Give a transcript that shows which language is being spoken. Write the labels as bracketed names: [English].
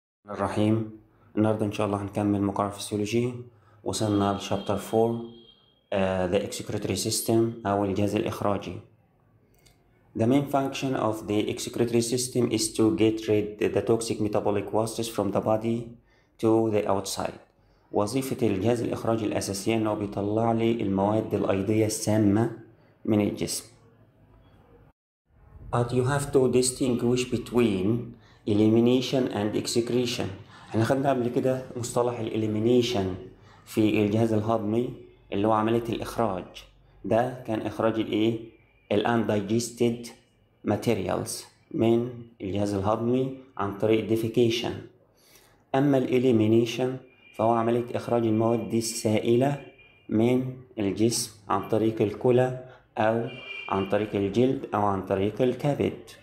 [Arabic] الرحمن الرحيم، النهاردة إن شاء الله هنكمل مقرر فسيولوجي. وصلنا لشابتر 4، [English] the excretory system [Arabic] أو الجهاز الإخراجي. [English] The main function of the excretory system is to get rid the toxic metabolic wastes from the body to the outside. [Arabic] وظيفة الجهاز الإخراجي الأساسية إنه بيطلع لي المواد الأيضية السامة من الجسم. [English] But you have to distinguish between elimination and excretion. [Arabic] احنا خدنا قبل كده مصطلح الاليمينيشن في الجهاز الهضمي اللي هو عمليه الاخراج، ده كان اخراج الايه الاندايجستد ماتيريالز من الجهاز الهضمي عن طريق ديفيكيشن. اما الاليمينيشن فهو عمليه اخراج المواد السائله من الجسم عن طريق الكلى او عن طريق الجلد او عن طريق الكبد.